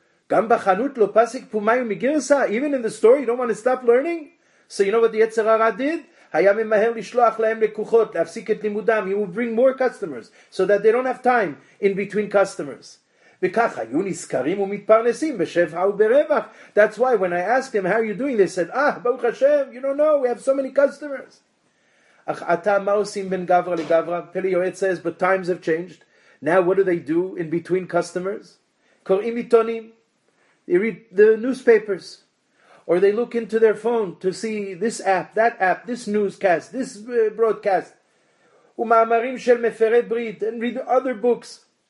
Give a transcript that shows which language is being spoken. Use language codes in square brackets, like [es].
[he] גם בחנות לא פסיק פומי ומגרסה? [en] Even in the store, you don't want to stop learning? So you know what the יצר הרע did? [he] היה ממהר לשלוח להם לקוחות, להפסיק את לימודם. [en] He would bring more customers so that they don't have time in between customers. [he] וכך היו נזכרים ומתפרנסים בשפע וברווח. [en] That's why when I asked them, how are you doing? They said, [he] ברוך השם, [en] you don't know, we have so many customers. [he] אך עתה, מה עושים בין גברה לגברה? [en] פלי יועץ says, but times have changed. Now what do they do in between customers? [he] קוראים עיתונים. [en] They read the newspapers. Or they look into their phone to see this app, that app, this newscast, this broadcast. [he] ומאמרים של מפרי ברית, [en] and read other books.